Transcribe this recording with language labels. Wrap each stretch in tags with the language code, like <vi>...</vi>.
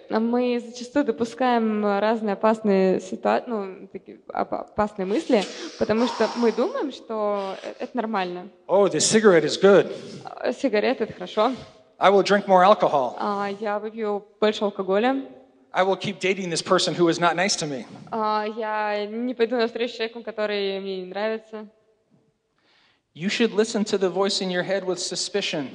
<ru>Мы зачастую допускаем разные опасные ситуации, ну, такие опасные мысли, потому что мы думаем, что это нормально.</ru> <en>Oh, this cigarette is good.</en> <ru>Сигарета — это хорошо.</ru> <en>I will drink more alcohol.</en> <ru>Я выпью больше алкоголя.</ru> <en>I will keep dating this person who is not nice to me.</en> <ru>Я не пойду на встречу с человеком, который мне не нравится.</ru> <en>You should listen to the voice in your head with suspicion.</en>